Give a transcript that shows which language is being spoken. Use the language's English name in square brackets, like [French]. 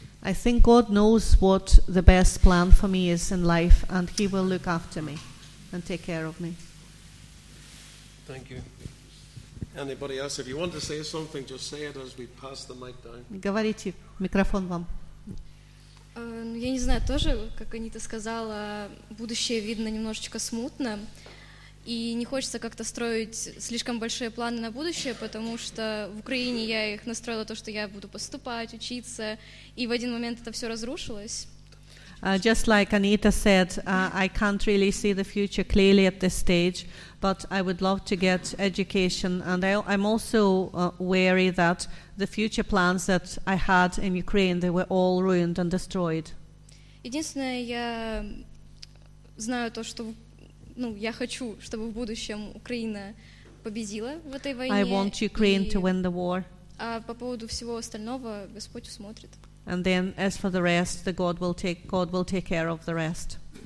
[English] I think God knows what the best plan for me is in life, and He will look after me and take care of me. Thank you. Anybody else? If you want to say something, just say it as we pass the mic down. [Russian] Говорите, микрофон вам. Я не знаю, тоже, как Анита сказала, будущее видно немножечко смутно, и не хочется как-то строить слишком большие планы на будущее, потому что в Украине я их настроила то, что я буду поступать, учиться, и в один момент это все разрушилось. [English] Just like Anita said, I can't really see the future clearly at this stage, but I would love to get education, and I'm also wary that the future plans that I had in Ukraine, they were all ruined and destroyed. [Russian] Единственное, я знаю то, что я хочу, чтобы в будущем Украина победила в этой войне. [English] I want Ukraine to win the war. [Russian] А по поводу всего остального Господь усмотрит. [English] And then as for the rest, God will take care of the rest.